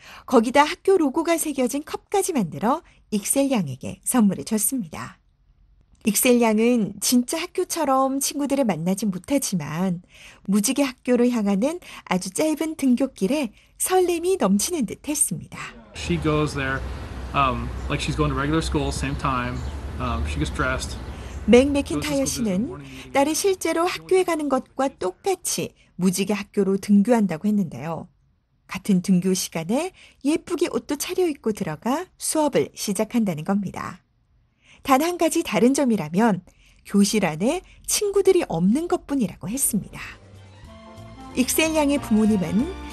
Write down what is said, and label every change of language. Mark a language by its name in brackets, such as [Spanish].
[Korean] 거기다 학교 로고가 새겨진 컵까지 만들어 익셀 양에게 선물을 줬습니다. 익셀 양은 진짜 학교처럼 친구들을 만나진 못하지만 무지개 학교를 향하는 아주 짧은 등교길에 설렘이 넘치는 듯 했습니다. [English] She goes there like she's going to regular school same time. She gets dressed. [Korean] 맥 맥킨타이어 씨는 딸이 실제로 학교에 가는 것과 똑같이 무지개 학교로 등교한다고 했는데요. 같은 등교 시간에 예쁘게 옷도 차려입고 들어가 수업을 시작한다는 겁니다. 단 한 가지 다른 점이라면 교실 안에 친구들이 없는 것뿐이라고 했습니다. 익셀 양의 부모님은